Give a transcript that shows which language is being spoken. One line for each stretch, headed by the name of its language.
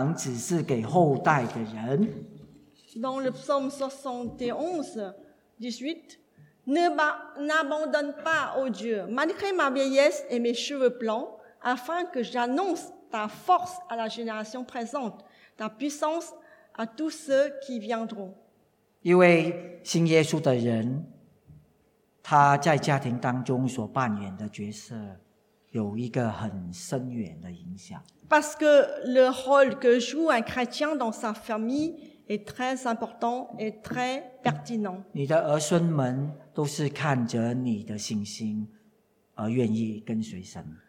Chinese: 然后71篇的18节，神啊，我到年老乏白的时候呢，求你不要离弃我，等我将你的能力指示下一代，将你的大能指示给后代的人。
French: Dans le psaume 71:18, n'abandonne pas, ô Dieu, malgré ma vieillesse et mes cheveux blancs, afin que j'annonce ta force à la génération présente, ta puissance à tous ceux qui viendront.
Chinese: 因为信耶稣的人，他在家庭当中所扮演的角色，有一个很深远的影响。
French: Parce que le rôle que joue un chrétien dans sa famille est très important et très pertinent.
Chinese: 你的儿孙们都是看着你的信心而愿意跟随神。